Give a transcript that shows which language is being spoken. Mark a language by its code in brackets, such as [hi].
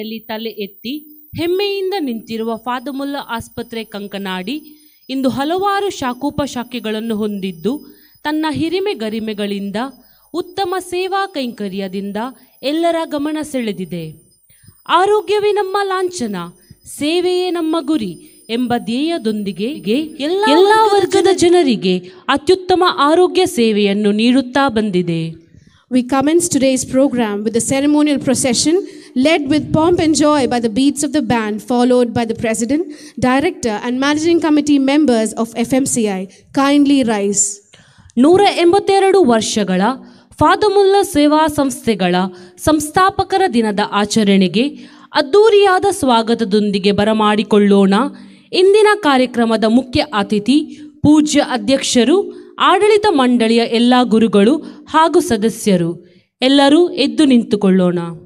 [kn] ತಲೆ ಎತ್ತಿ ಹೆಮ್ಮೆಯಿಂದ ನಿಂತಿರುವ ಫಾದಮುಲ್ಲ ಆಸ್ಪತ್ರೆ ಕಂಕನಾಡಿ ಇಂದು ಹಲವಾರು ಶಾಖೋಪಶಾಖೆಗಳನ್ನು ಹೊಂದಿದ್ದು ತನ್ನ ಹಿರಿಮೆ ಗರಿಮೆಗಳಿಂದ ಉತ್ತಮ ಸೇವಾ ಕೈಂಕರ್ಯದಿಂದ ಎಲ್ಲರ ಗಮನ ಸೆಳೆದಿದೆ. ಆರೋಗ್ಯವೇ ನಮ್ಮ ಲಾಂಛನ, ಸೇವೆಯೇ ನಮ್ಮ ಗುರಿ ಎಂಬ ಧ್ಯೇಯದೊಂದಿಗೆ ಎಲ್ಲ ವರ್ಗದ ಜನರಿಗೆ ಅತ್ಯುತ್ತಮ ಆರೋಗ್ಯ ಸೇವೆಯನ್ನು ನೀಡುತ್ತಾ ಬಂದಿದೆ. [en] We commence today's program with a ceremonial procession led with pomp and joy by the beats of the band, followed by the president, director and managing committee members of FMCI. Kindly rise. [kn] 182 ವರ್ಷಗಳ ಫಾದಮುಲ್ಲ ಸೇವಾ ಸಂಸ್ಥೆಗಳ ಸಂಸ್ಥಾಪಕರ ದಿನದ ಆಚರಣೆಗೆ ಅದ್ಧೂರಿಯಾದ ಸ್ವಾಗತದೊಂದಿಗೆ ಬರಮಾಡಿಕೊಳ್ಳೋಣ. ಇಂದಿನ ಕಾರ್ಯಕ್ರಮದ ಮುಖ್ಯ ಅತಿಥಿ ಪೂಜ್ಯ ಅಧ್ಯಕ್ಷರು, ಆಡಳಿತ ಮಂಡಳಿಯ ಎಲ್ಲ ಗುರುಗಳು ಹಾಗೂ ಸದಸ್ಯರು, ಎಲ್ಲರೂ ಎದ್ದು ನಿಂತುಕೊಳ್ಳೋಣ.